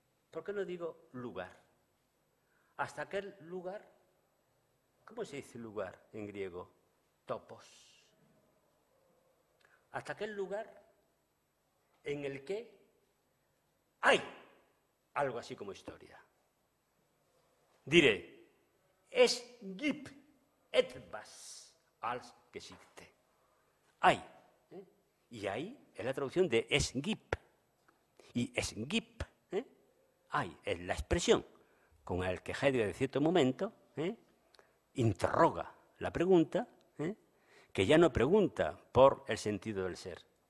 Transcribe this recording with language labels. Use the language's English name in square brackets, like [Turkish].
[Spanish] ¿Por qué no digo lugar? Hasta aquel lugar, ¿cómo se dice lugar en griego? Topos. Hasta aquel lugar en el que hay algo así como historia. Diré, [German] es gibt etwas als Geschichte. [Spanish] Hay. Y hay es la traducción de es gibt. Y es gibt, hay, es la expresión con la que Heidegger de cierto momento interroga la pregunta, que ya no pregunta por el sentido del ser.